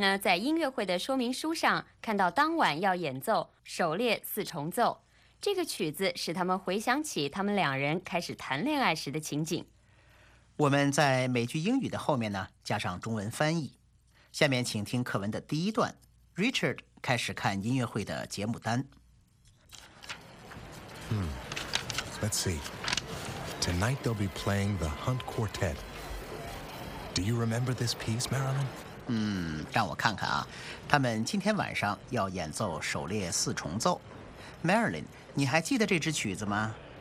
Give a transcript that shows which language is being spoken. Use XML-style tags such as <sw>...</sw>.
<zh>呢，在音乐会的说明书上看到当晚要演奏首列四重奏，这个曲子使他们回想起他们两人开始谈恋爱时的情景。我们在每句英语的后面呢加上中文翻译。下面请听课文的第一段， Richard 开始看音乐会的节目单。</zh> <en>Let's see. Tonight they'll be playing the Hunt Quartet. Do you remember this piece, Marilyn?</en> <zh>让我看看啊，他们今天晚上要演奏首列四重奏。 Marilyn, 你还记得这支曲子吗？</zh>